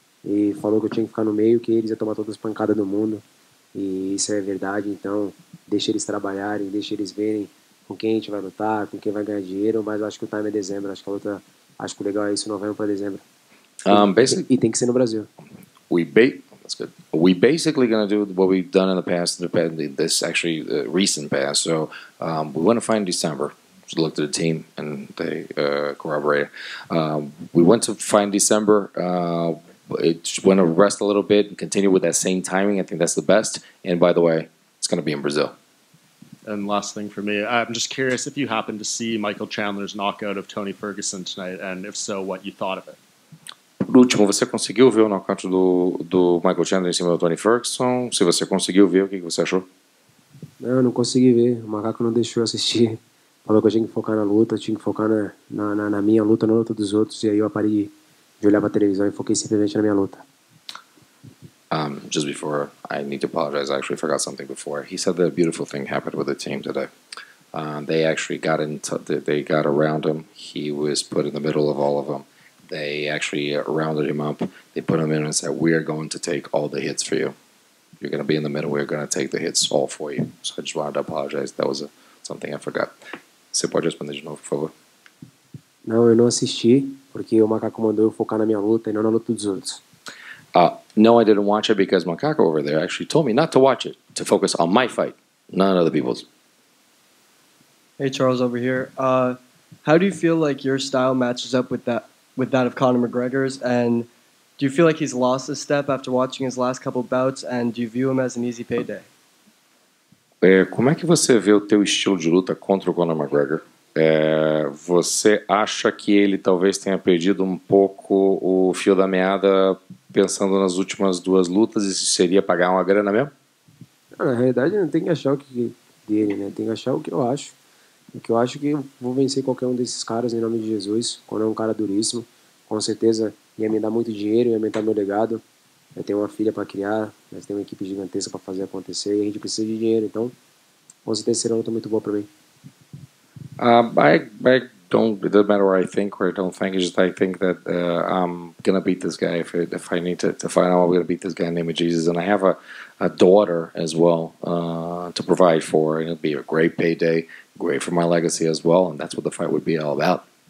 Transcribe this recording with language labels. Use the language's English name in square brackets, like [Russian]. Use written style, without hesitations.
[Portuguese] e falou que eu tinha que ficar no meio, que eles iam tomar todas as pancadas do mundo. E isso é verdade, então deixa eles trabalharem, deixa eles verem com quem a gente vai lutar, com quem vai ganhar dinheiro, mas eu acho que o time é dezembro, acho que a luta, acho que o legal é isso, novembro para dezembro. [English] Basically, [Portuguese] e tem que ser no Brasil. [English] That's good. We basically going to do what we've done in the past, this actually recent past. So we want to find December. Just looked at the team and they corroborated. We went to find December. Just want to rest a little bit and continue with that same timing. I think that's the best. And by the way, it's going to be in Brazil. And last thing for me, I'm just curious if you happen to see Michael Chandler's knockout of Tony Ferguson tonight, and if so, what you thought of it. [Portuguese] Por último, você conseguiu ver o nocaute do Michael Chandler em cima do Tony Ferguson? Se você conseguiu ver, o que você achou? Não, não consegui ver. O macaco não deixou eu assistir. Falou que eu tinha que focar na luta, tinha que focar na minha luta, na luta dos outros. E aí eu parei de olhar para a televisão e foquei simplesmente na minha luta. [English] Just before, I need to apologize. I actually forgot something before. He said that a beautiful thing happened with the team today. They actually got they got around him. He was put in the middle of all of them. They actually rounded him up. They put him in and said, "We are going to take all the hits for you. You're going to be in the middle. We're going to take the hits all for you." So I just wanted to apologize. That was something I forgot. [Portuguese] Você pode responder de novo, por favor? Não, eu não assisti porque o macaco mandou eu focar na minha luta e não na luta dos outros. [English] No, I didn't watch it because macaco over there actually told me not to watch it, to focus on my fight, none of the people's. Hey, Charles, over here. How do you feel like your style matches up with that of Conor McGregor's, and do you feel like he's lost a step after watching his last couple bouts, and do you view him as an easy payday? [Portuguese] Como é que você vê o teu estilo de luta contra o Conor McGregor? Você acha que ele talvez tenha perdido um pouco o fio da meada pensando nas últimas duas lutas, e se seria pagar uma grana mesmo? Na realidade, não tem que achar o que dele, né? Tem que achar o que eu acho. Porque eu acho que vou vencer qualquer um desses caras em nome de Jesus, quando é um cara duríssimo. Com certeza ia me dar muito dinheiro, ia aumentar meu legado. Eu tenho uma filha para criar, mas tenho uma equipe gigantesca para fazer acontecer e a gente precisa de dinheiro. Então, com certeza será uma luta muito boa para mim. [English] It doesn't matter what I think or don't think. It's just I think that I'm going to beat this guy. If I need to find out, I'm going to beat this guy in the name of Jesus. And I have a daughter as well to provide for. And it'll be a great payday, great for my legacy as well. And that's what the fight would be all about.